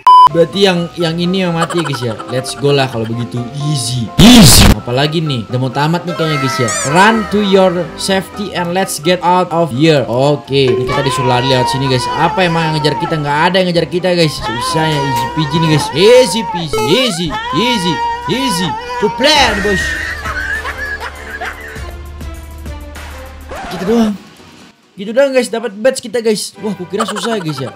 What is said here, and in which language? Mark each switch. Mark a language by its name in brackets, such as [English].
[Indonesian] Berarti yang ini yang mati ya guys ya. [English] Let's go [Indonesian] lah kalau begitu. Easy. [English] Easy. [Indonesian] Apalagi nih, udah mau tamat nih kayaknya guys ya. [English] Run to your safety and let's get out of here. [Indonesian] Oke, ini kita disuruh lari lewat sini guys. Apa emang yang ngejar kita? Nggak ada yang ngejar kita guys. Susah ya, [English] easy peasy [Indonesian] nih guys. [English] Easy peasy. Easy. Easy. Easy. [Indonesian] To play on bos. Kita doang. Gitu dong guys, dapat badge kita guys. Wah, kukira susah guys ya.